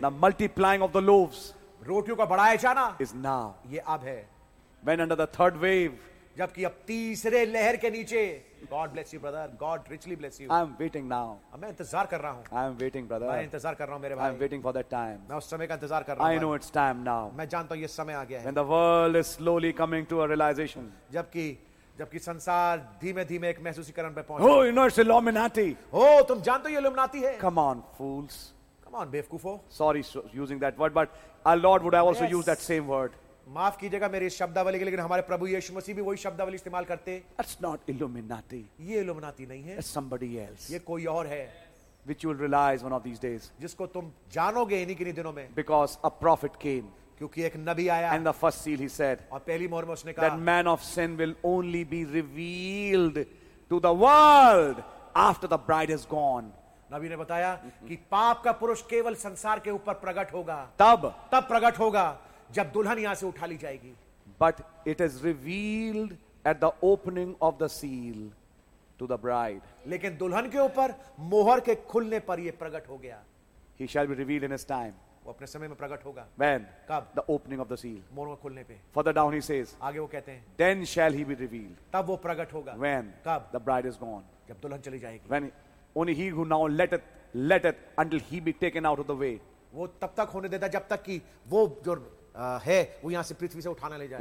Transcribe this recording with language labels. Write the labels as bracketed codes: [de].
[en] The multiplying of the loaves. [hi] रोटियों का बढ़ाया जाना. [en] Is now. [hi] ये अब है. [en] When under the third wave. [hi] जबकि अब तीसरे लहर के नीचे. [en] God bless you, brother. God richly bless you. I am waiting now. [hi] मैं इंतजार कर रहा हूँ. [en] I am waiting, brother. [hi] मैं इंतजार कर रहा हूँ मेरे भाई. [en] I am waiting for that time. [hi] मैं उस समय का इंतजार कर रहा हूँ. [en] I know it's time now. [hi] मैं जानता हूँ ये समय आ गया है. [en] When the world is slowly coming to a realization. [hi] जबकि संसार धीमे-धीमे एक महसूसीकरण पे पहुँच. [en] Oh, you know it's Illuminati. [hi] Oh, तुम जानते हो ये Illuminati है. [en] Come on, fools. Come on, [hi] बेवकूफो. [en] Sorry, using that word, but our Lord would have also used that same word. [hi] माफ कीजिएगा मेरे शब्दावली के, लेकिन हमारे प्रभु यीशु मसीह भी वही शब्दावली इस्तेमाल करते. [en] That's not Illuminati. [hi] ये Illuminati नहीं है. [en] It's somebody else. [hi] ये कोई और है. [en] Which you will realize one of these days. [hi] जिसको तुम जानोगे इन्हीं किन्हीं दिनों में. [en] Because a prophet came. [hi] क्योंकि एक नबी आया. [en] And the first seal he said. [hi] और पहली मोहर में उसने कहा. [en] That man of sin will only be revealed to the world after the bride is gone. [hi] नबी ने बताया कि पाप का पुरुष केवल संसार के ऊपर प्रकट होगा तब प्रकट होगा जब दुल्हन यहां से उठा ली जाएगी. [en] But it is revealed at the opening of the seal to the bride. [hi] लेकिन दुल्हन के ऊपर मोहर के खुलने पर यह प्रकट हो गया. [en] He shall be revealed in his time. [hi] वो अपने समय में प्रकट होगा. [en] When? [hi] कब? [en] The opening of the seal. [hi] मोहर को खुलने पे. [en] Further down he says. [hi] आगे वो कहते हैं. [en] Then shall he be revealed. [hi] तब वो प्रकट होगा. [en] When? [hi] कब? [en] The bride is gone. [hi] जब दुल्हन चली जाएगी. [en] When? Only he who now letteth until he be taken out of the way. [hi] वो तब तक होने देता जब तक कि वो जो है वो यहाँ से पृथ्वी से उठाना ले जाए.